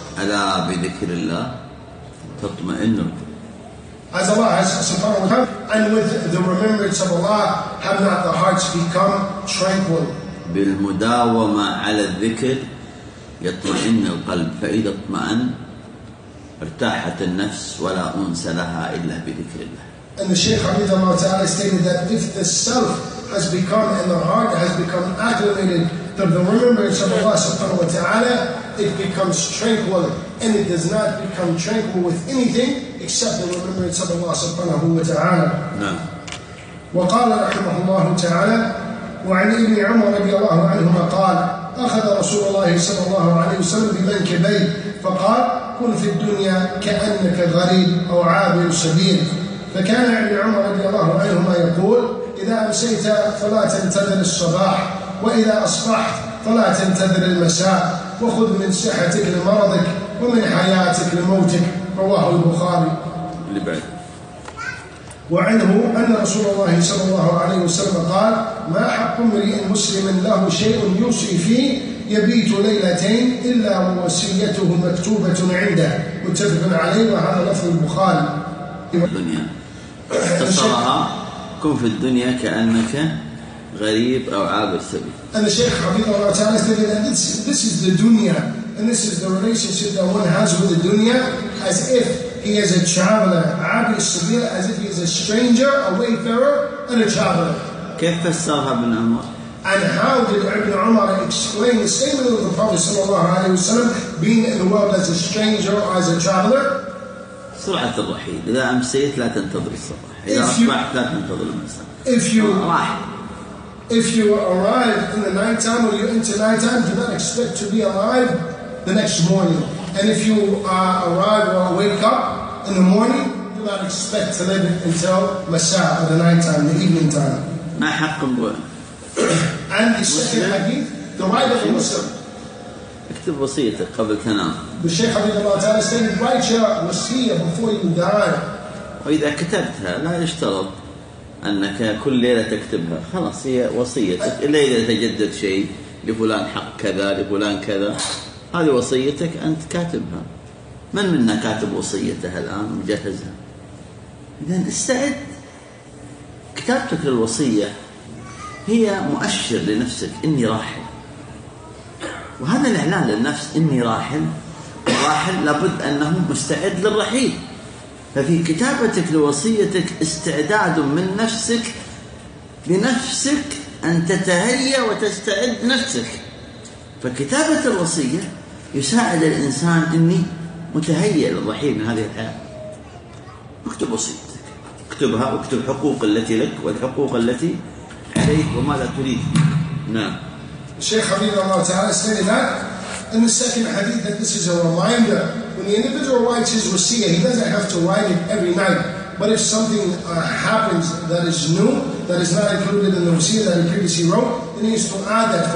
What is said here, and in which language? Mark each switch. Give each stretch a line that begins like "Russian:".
Arabic: ألا بذكر الله تطمئن القلوب.
English: As Allah has subhanahu wa ta'ala, and with the remembrance of Allah, have not the hearts become tranquil.
Arabic: بالمداومة على الذكر يطمئن القلب فإذا اطمئن ارتاحت النفس ولا أنس لها إلا بذكر الله.
English: And the Shaykh Hamidullah Ta'ala stated that if the self has become and the heart has become acclimated to the remembrance of Allah subhanahu wa ta'ala, it becomes tranquil and it does not become tranquil with anything except the remembrance of Allah subhanahu wa ta'ala. No.
Arabic: وقال رحمه الله تعالى وعن ابن عمر رضي الله عنهما قال أخذ رسول الله صلى الله عليه وسلم بمنكبيه فقال كن في الدنيا كأنك غريب أو عابر سبيل. فكان ابن عمر رضي الله عنهما يقول إذا أمسيت فلا تنتظر الصباح وإذا أصبحت فلا تنتظر المساء، وخذ من صحتك لمرضك ومن حياتك لموتك. رواه البخاري. اللي بعد. وعنه أن رسول الله صلى الله عليه وسلم قال: ما حق امرئ مسلم له شيء يوصي فيه يبيت ليلتين إلا ووصيته مكتوبة عنده. متفق عليه. وهذا لفظ البخاري. الدنيا اختصرها: كن في الدنيا كأنك غريب أو عابر سبيل. أنا شيخ حفظه الله تعالى
English: said that this is the dunya and this is the relationship that one has with the dunya as if he is a traveler,
Arabic: عابر سبيل,
English: as if he is a stranger, a wayfarer and a traveler.
Arabic: كيف فسرها ابن عمر؟
English: And how did Ibn Umar explain the statement of the Prophet sallallahu alaihi wasallam being in the world as a stranger or as a traveler?
Arabic: سرعة الرحيل. إذا أمسيت لا تنتظر الصباح. إذا أصبحت لا تنتظر المساء.
English: If you arrive in the night time or you enter night time, do not expect to be alive the next morning. And if you arrive or wake up in the morning, do not expect to live until مساء or the night time, the evening time.
Arabic: ما حق
English: الرحيل. And the second hadith, the right of a Muslim.
Arabic: اكتب وصيتك قبل تنام.
English: الشيخ عبد الله تعالى said write your wasiyya before you die.
Arabic: وإذا كتبتها لا يشترط أنك كل ليلة تكتبها، خلاص هي وصيتك. إلا إذا تجدد شيء لفلان حق كذا لفلان كذا، هذه وصيتك أنت كاتبها. من منا كاتب وصيته الآن مجهزها؟ إذن استعد. كتابتك للوصية هي مؤشر لنفسك إني راحل، وهذا الإعلان للنفس إني راحل. الراحل لابد أنه مستعد للرحيل. ففي كتابتك لوصيتك استعداد من نفسك لنفسك أن تتهيأ وتستعد نفسك. فكتابة الوصية يساعد الإنسان إني متهيأ للرحيل من هذه الحياة. اكتب وصيتك، اكتبها، واكتب حقوق التي لك والحقوق التي عليك وما لا تريد. نعم.
English: Shaykh Habib Allah Ta'ala stated that in the second hadith that this is a reminder. When the individual writes his wasiyah, he doesn't have to write it every night. But if something happens that is new, that is not included in the wasiyah that he previously wrote, then he needs to add that.